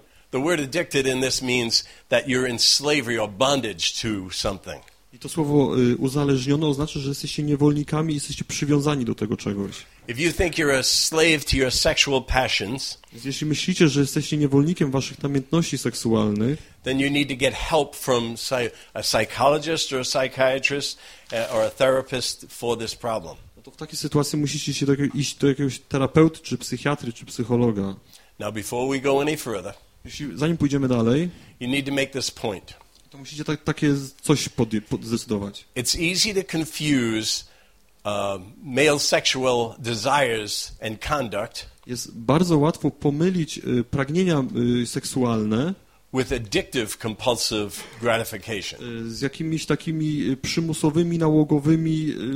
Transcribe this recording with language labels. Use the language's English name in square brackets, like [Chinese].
[English] The word addicted in this means that you're in slavery or bondage to something. [Polish] I to słowo uzależniony oznacza, że jesteście niewolnikami i jesteście przywiązani do tego czegoś. [English] If you think you're a slave to your sexual passions, [Polish] jeśli myślicie, że jesteście niewolnikiem waszych namiętności seksualnych, [English] then you need to get help from a psychologist or a psychiatrist or a therapist for this problem. [Polish] No to w takiej sytuacji musicie się iść do jakiegoś terapeuty, czy psychiatry, czy psychologa. [English] Now before we go any further, [Polish] zanim pójdziemy dalej, [English] you need to make this point. [Polish] To musicie takie coś zdecydować. [English] It's easy to confuse male sexual desires and conduct. [Polish] Jest bardzo łatwo pomylić pragnienia seksualne [English] with addictive compulsive gratification. [Polish] Z jakimiś takimi przymusowymi, nałogowymi